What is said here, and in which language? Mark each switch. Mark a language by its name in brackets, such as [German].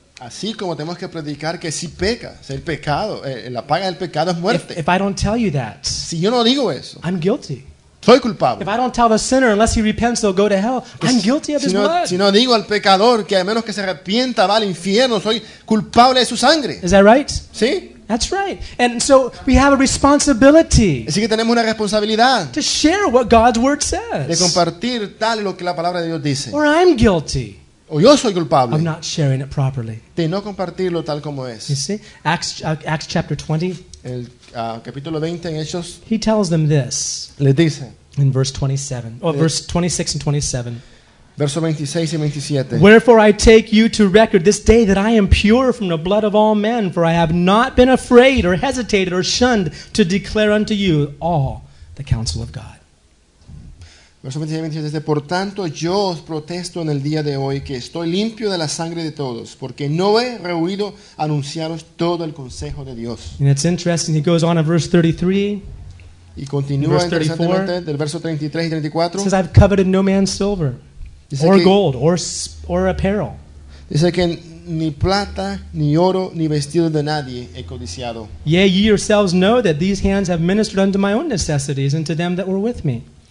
[Spanish] Así como tenemos que predicar que si pecas, el pecado, la paga del pecado es muerte. [English] If I don't tell you that, [Spanish] si yo no digo eso, [English] I'm guilty. [Spanish] Soy culpable. [English] If I don't tell the sinner unless he repents he'll go to hell, pues, I'm guilty of [Spanish] si [English] his [Spanish] no, [English] blood. [Spanish] Si no digo al pecador que a menos que se arrepienta va al infierno, soy culpable de su sangre. [English] Is that right? [Spanish] Sí. [English] That's right. And so we have a responsibility. [Spanish] Así que tenemos una responsabilidad. [English] To share what God's word says. [Spanish] De compartir tal lo que la palabra de Dios dice. [English] Or I'm guilty. [Spanish] O yo soy culpable. [English] I'm not sharing it properly. [Spanish] De no compartirlo tal como es. [English] You see, Acts chapter 20. [Spanish] El capítulo 20 en Hechos. [English] He tells them this. [Spanish] Le dice. [English] In verse 27. Verse 26 and 27. [Spanish] Verso 26 y 27. [English] Wherefore I take you to record this day that I am pure from the blood of all men, for I have not been afraid or hesitated or shunned to declare unto you all the counsel of God. [Spanish] Verso 26 dice, por tanto yo os protesto en el día de hoy que estoy limpio de la sangre de todos, porque no he rehuido anunciaros todo el consejo de Dios. [English] And it's interesting, he goes on in verse 33. [Spanish] Y continúa interesantemente del verso 33 y 34. [English] It says, I've coveted no man's silver. Or gold, or apparel. [Spanish] Dice que ni plata, ni oro, ni vestido de nadie he codiciado. [English] Yea, ye yourselves know that these hands have ministered unto my own necessities and to them that were with me.